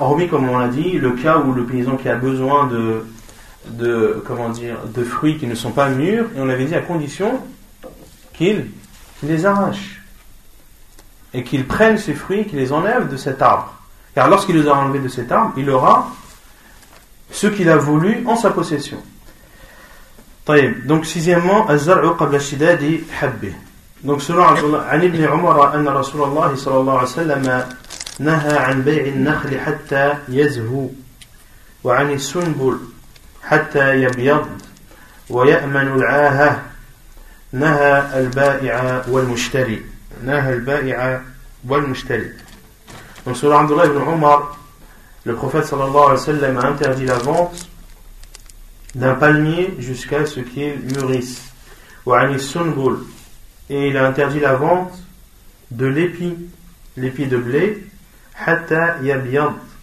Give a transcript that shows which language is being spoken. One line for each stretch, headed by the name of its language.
French: Hormis, comme on l'a dit, le cas où le paysan qui a besoin de fruits qui ne sont pas mûrs, et on l'avait dit à condition qu'il les arrache et qu'il prenne ces fruits, qu'il les enlève de cet arbre. Car lorsqu'il les aura enlevés de cet arbre, il aura ce qu'il a voulu en sa possession.
Arabic: طيب,
French: donc sixièmement,
Arabic: الزرع قبل الشداد حبه.
French: Donc selon
Arabic: عن ابن عمر أن رسول الله صلى الله عليه وسلم نهى عن بيع النخل حتى يزهو وعن السنبل حتى يبيض ويأمن العاهة نهى البائع والمشتري نهى البائع والمشتري.
French: Donc selon عبد الله بن عمر, le prophète صلى الله عليه وسلم a interdit la vente d'un palmier jusqu'à ce qu'il mûrisse.
Arabic: وعن السنبل,
French: et il a interdit la vente de l'épi de blé,
Arabic: hatta yabyad,